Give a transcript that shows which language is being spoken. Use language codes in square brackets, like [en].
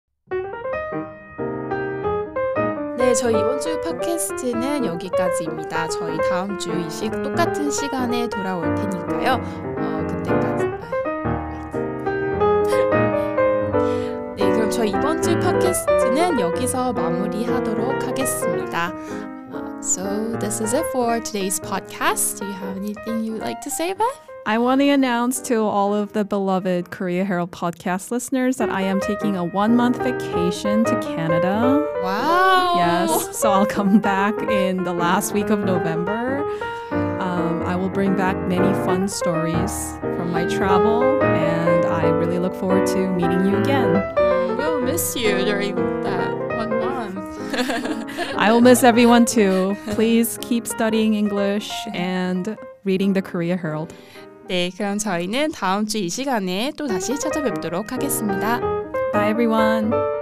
[ko] Yeah, 저희 이번 주 팟캐스트는 여기까지입니다. 저희 다음 주 똑같은 시간에 돌아올 테니까요. 그때까지. 저희 이번 주 팟캐스트는 여기서 마무리하도록 하겠습니다. [en] So this is it for today's podcast. Do you have anything you would like to say, Beth? I want to announce to all of the beloved Korea Herald podcast listeners that I am taking a one-month vacation to Canada. Wow! Yes, so I'll come back in the last week of November. I will bring back many fun stories from my travel, and I really look forward to meeting you again. Miss you during that 1 month. I will miss everyone too. Please keep studying English and reading the Korea Herald. [ko] 네, 그럼 저희는 다음 주 이 시간에 또 다시 찾아뵙도록 하겠습니다. [en] Bye everyone.